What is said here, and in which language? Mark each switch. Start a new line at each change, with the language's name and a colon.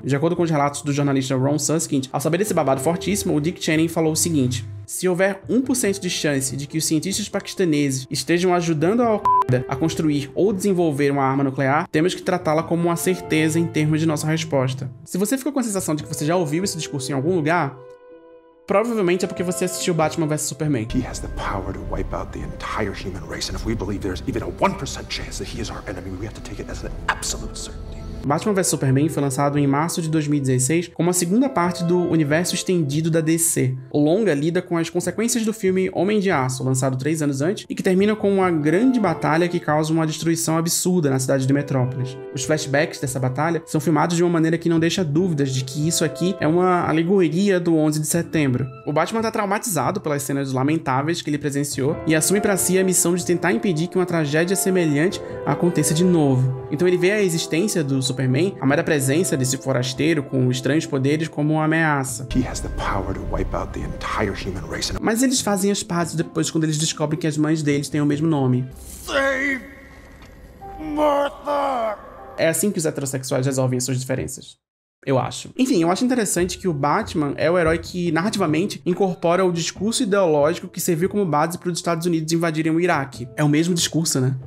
Portuguese: De acordo com os relatos do jornalista Ron Susskind, ao saber desse babado fortíssimo, o Dick Cheney falou o seguinte: se houver 1% de chance de que os cientistas paquistaneses estejam ajudando a Al-Qaeda a construir ou desenvolver uma arma nuclear, temos que tratá-la como uma certeza em termos de nossa resposta. Se você ficou com a sensação de que você já ouviu esse discurso em algum lugar, provavelmente é porque você assistiu Batman vs Superman. Ele tem o poder de
English: wipe out the entire human race, and if we believe there's even a 1% chance that he is our enemy, we have to take it as an absolute certainty.
Portuguese: Batman vs Superman foi lançado em março de 2016 como a segunda parte do universo estendido da DC. O longa lida com as consequências do filme Homem de Aço, lançado 3 anos antes, e que termina com uma grande batalha que causa uma destruição absurda na cidade de Metrópolis. Os flashbacks dessa batalha são filmados de uma maneira que não deixa dúvidas de que isso aqui é uma alegoria do 11 de setembro. O Batman tá traumatizado pelas cenas lamentáveis que ele presenciou e assume para si a missão de tentar impedir que uma tragédia semelhante aconteça de novo. Então ele vê a existência do Superman, a mera presença desse forasteiro com estranhos poderes, como uma ameaça.
English: He has the power to wipe out the entire human race.
Portuguese: Mas eles fazem as pazes depois quando eles descobrem que as mães deles têm o mesmo nome.
English: Save Martha!
Portuguese: É assim que os heterossexuais resolvem as suas diferenças. Eu acho. Enfim, eu acho interessante que o Batman é o herói que, narrativamente, incorpora o discurso ideológico que serviu como base para os Estados Unidos invadirem o Iraque. É o mesmo discurso, né?